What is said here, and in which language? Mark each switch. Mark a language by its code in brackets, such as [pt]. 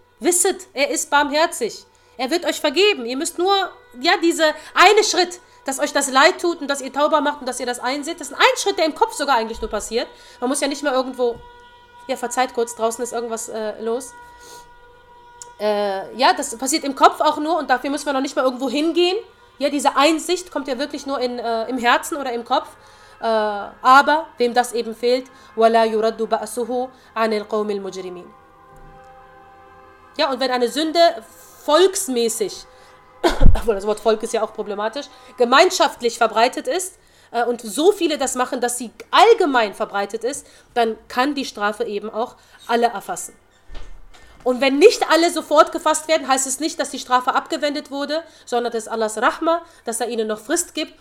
[de] Wisset, er ist barmherzig. Er wird euch vergeben. Ihr müsst nur, ja, diese eine Schritt, dass euch das leid tut und dass ihr taubar macht und dass ihr das einseht. Das ist ein Schritt, der im Kopf sogar eigentlich nur passiert. Man muss ja nicht mehr irgendwo, ja, verzeiht kurz, draußen ist irgendwas los. Ja, das passiert im Kopf auch nur und dafür müssen wir noch nicht mal irgendwo hingehen. Ja, diese Einsicht kommt ja wirklich nur im Herzen oder im Kopf. Aber wem das eben fehlt, [ar] وَلَا يُرَدُّ بَأْسُهُ عَنِ الْقَوْمِ الْمُجْرِمِينَ. [de] Ja, und wenn eine Sünde volksmäßig, obwohl das Wort Volk ist ja auch problematisch, gemeinschaftlich verbreitet ist und so viele das machen, dass sie allgemein verbreitet ist, dann kann die Strafe eben auch alle erfassen. Und wenn nicht alle sofort gefasst werden, heißt es nicht, dass die Strafe abgewendet wurde, sondern das ist Allahs Rahma, dass er ihnen noch Frist gibt.